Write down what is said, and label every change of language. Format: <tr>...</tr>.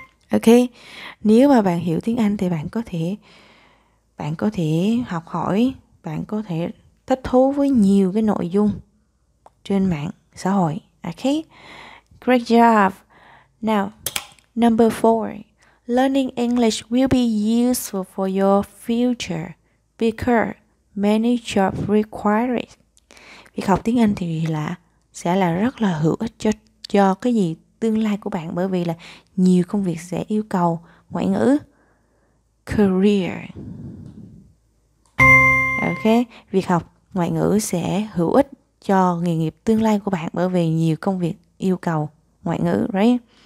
<vi>Okay, nếu mà bạn hiểu tiếng Anh thì bạn có thể học hỏi, bạn có thể thích thú với nhiều cái nội dung trên mạng xã hội.</vi> <en>Okay, great job. Now, number four, learning English will be useful for your future because many jobs require it.</en> <vi>Việc học tiếng Anh thì sẽ là rất là hữu ích cho cái gì tương lai của bạn, bởi vì là nhiều công việc sẽ yêu cầu ngoại ngữ. Career. Okay, việc học ngoại ngữ sẽ hữu ích cho nghề nghiệp tương lai của bạn bởi vì nhiều công việc yêu cầu ngoại ngữ, right?</vi>